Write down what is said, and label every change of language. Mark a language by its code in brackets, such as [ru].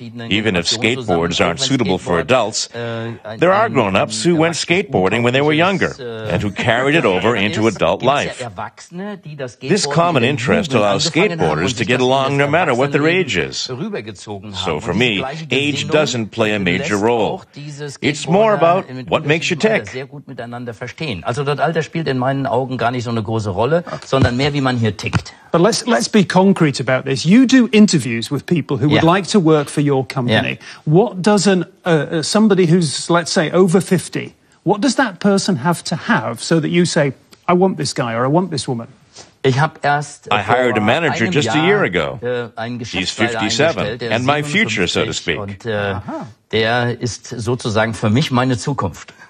[en] Even if skateboards aren't suitable for adults, there are grown-ups who went skateboarding when they were younger, and who carried it over into adult life. This common interest allows skateboarders to get along no matter what their age is. So for me, age doesn't play a major role. It's more about what makes you tick. [de] Also das Alter spielt in meinen Augen gar nicht so eine große Rolle, sondern mehr wie man hier tickt. [en] But let's be concrete about this. You do interviews with people who would like to work for your company. What does somebody who's, let's say, over 50, what does that person have so that you say, I want this guy or I want this woman? I hired a manager just a year ago. He's 57, and my future, so to speak. [de] Der ist sozusagen für mich meine Zukunft.